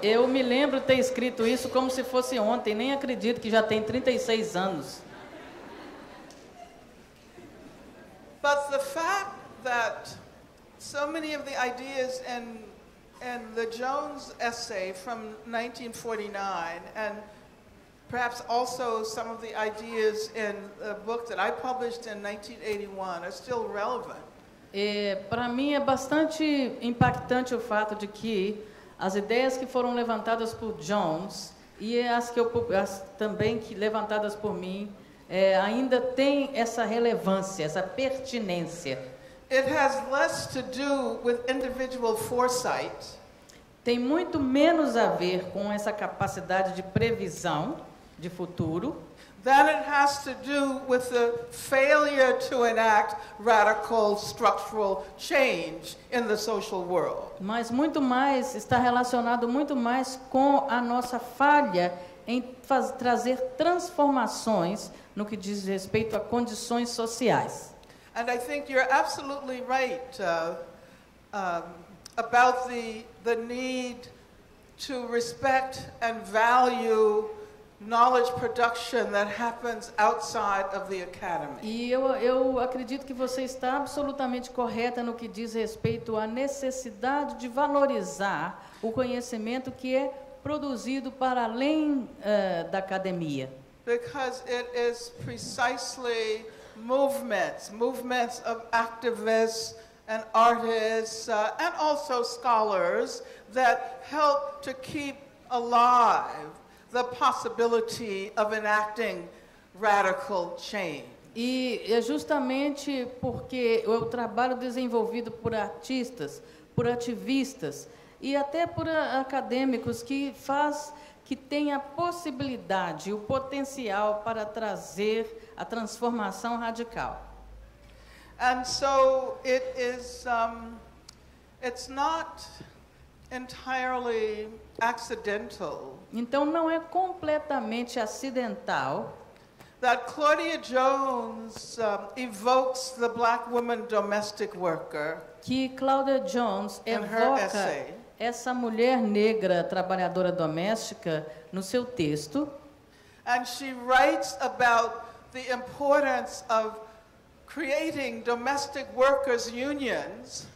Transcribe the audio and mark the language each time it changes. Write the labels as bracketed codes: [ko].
[pt] Eu me lembro ter escrito isso como se fosse ontem, nem acredito que já tem 36 anos. [en] But the fact that so many of the ideas and And the Jones essay from 1949, and perhaps also some of the ideas in the book that I published in 1981 are still relevant. [pt] Para mim é bastante impactante o fato de que as ideias que foram levantadas por Jones e as também levantadas por mim ainda têm essa relevância, essa pertinência. [en] It has less to do with individual foresight. [pt] Tem muito menos a ver com essa capacidade de previsão de futuro. [en] Than it has to do with the failure to enact radical structural change in the social world. [pt] Mas muito mais está relacionado muito mais com a nossa falha em trazer transformações no que diz respeito a condições sociais. [en] And I think you're absolutely right about the need to respect and value knowledge production that happens outside of the academy. [pt] E eu acredito que você está absolutamente correta no que diz respeito à necessidade de valorizar o conhecimento que é produzido para além da academia. [en] Because it is precisely movements of activists and artists and also scholars that help to keep alive the possibility of enacting radical change. [pt] E é justamente porque o trabalho desenvolvido por artistas, por ativistas e até por acadêmicos que tem a possibilidade, o potencial para trazer a transformação radical. [en] And so it is it's not entirely accidental. [pt] Então não é completamente acidental [en] that Claudia Jones evokes the black woman domestic worker. [pt] Que Claudia Jones evoca essa mulher negra trabalhadora doméstica no seu texto. [en] And she writes about the importance of creating domestic workers unions.